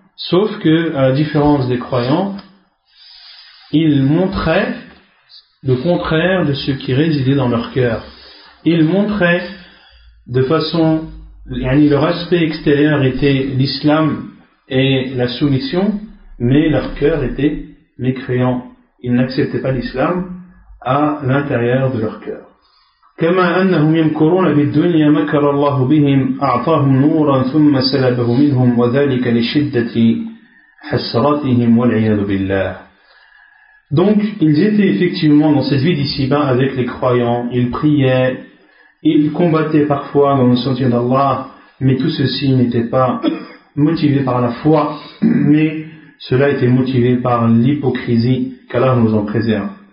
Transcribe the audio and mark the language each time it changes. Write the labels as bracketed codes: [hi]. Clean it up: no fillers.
[fr] Sauf que, à la différence des croyants, ils montraient le contraire de ce qui résidait dans leur cœur. Ils montraient de façon, yani leur aspect extérieur était l'islam et la soumission, mais leur cœur était mécréant. Ils n'acceptaient pas l'islam à l'intérieur de leur cœur. [ar] كما أنهم يمكرون بالدنيا مكر الله بهم أعطاهم نورا ثم سلبه منهم وذلك لشدة حسرتهم والعياذ بالله. [fr] Donc ils étaient effectivement dans cette vie d'ici-bas avec les croyants, ils priaient, ils combattaient parfois dans le sentier d'Allah, mais tout ceci n'était pas motivé par la foi, mais cela était motivé par l'hypocrisie, qu'Allah nous en préserve.